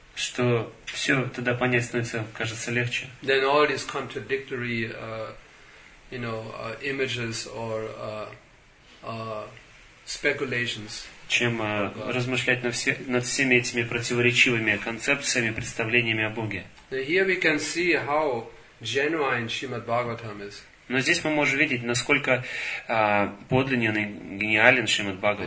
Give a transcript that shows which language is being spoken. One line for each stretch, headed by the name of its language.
Russian: Что все тогда понять становится, кажется, легче.
English: Then all these contradictory, images or speculations.
Russian: Чем размышлять над всеми этими противоречивыми концепциями, представлениями о Боге.
English: Now here we can see how genuine Srimad Bhagavatam is.
Russian: Но здесь мы можем видеть, насколько подлинен и гениален Шримад